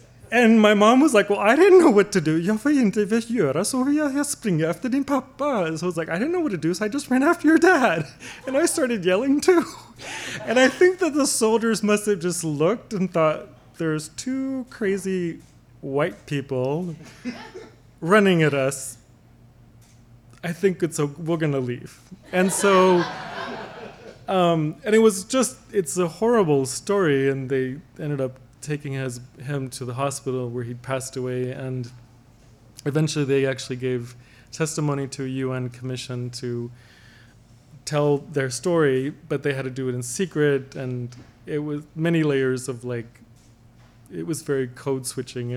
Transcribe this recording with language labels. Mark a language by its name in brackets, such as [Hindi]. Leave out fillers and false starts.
[English] And my mom was like, well, I didn't know what to do. [Swedish] Jag får inte göra så, jag springer efter din pappa. [English] So I was like, I didn't know what to do, so I just ran after your dad. And I started yelling too. And I think that the soldiers must have just looked and thought, there's two crazy white people running at us. I think it's we're gonna leave. And so, and it was just, it's a horrible story, and they ended up taking him to the hospital where he passed away, and eventually they actually gave testimony to a UN commission to tell their story, but they had to do it in secret, and it was many layers of, like, it was very code switching.